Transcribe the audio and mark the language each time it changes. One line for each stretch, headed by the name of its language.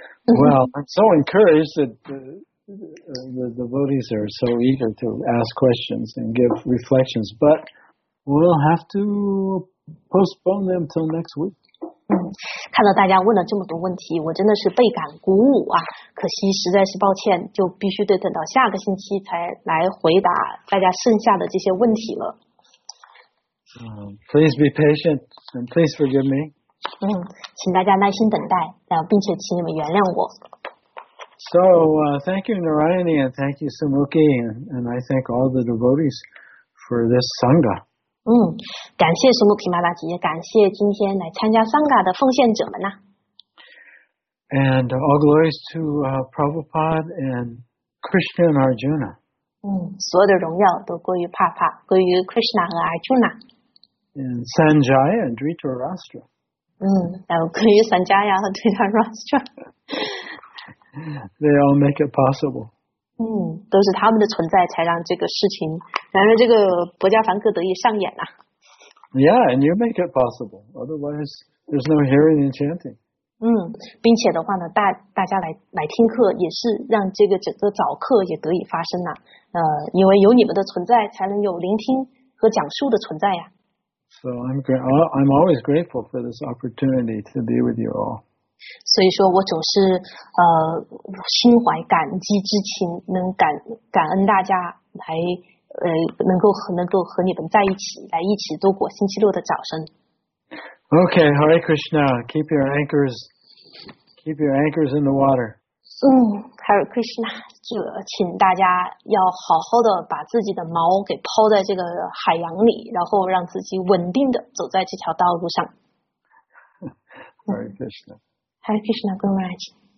English: Well, I'm so encouraged that the devotees are so eager to ask questions and give reflections, but we'll have to postpone them till next week.
Chinese: 看到大家问了这么多问题，我真的是倍感鼓舞啊！可惜实在是抱歉，就必须得等到下个星期才来回答大家剩下的这些问题了。
English: Please be patient and please forgive me.
Chinese: 请大家耐心等待，并且请你们原谅我。
English: So, thank you, Narayani, and thank you, Sumuki, and I thank all the devotees for this sangha.
Chinese: 感谢苏穆提玛拉吉，感谢今天来参加桑嘎的奉献者们呐。
English: And all glories to Prabhupada and Krishna and Arjuna.
Chinese: 所有的荣耀都归于帕帕，归于 Krishna 和 Arjuna。
English: And Sanjaya and Dhritarashtra.
Chinese: 然后归于 Sanjaya 和 Dhritarashtra。
English: They all make it possible.
Chinese: 都是他们的存在才让这个事情，然后这个博加凡克得以上演了。
English: Yeah, and you make it possible. Otherwise, there's no hearing and chanting.
Chinese: 并且的话呢，大家来听课，也是让这个整个早课也得以发生了。因为有你们的存在，才能有聆听和讲述的存在呀。
English: So I'm always grateful for this opportunity to be with you all.
Chinese: 所以说我总是心怀感激之情，能感恩大家来。能够和你们在一起，来一起度过星期六的早晨。
English: Okay, Hare Krishna, keep your anchors in the water.
Chinese: Hare Krishna, 请大家要好好的把自己的锚给抛在这个海洋里，然后让自己稳定的走在这条道路上。
English: Hare Krishna, good night.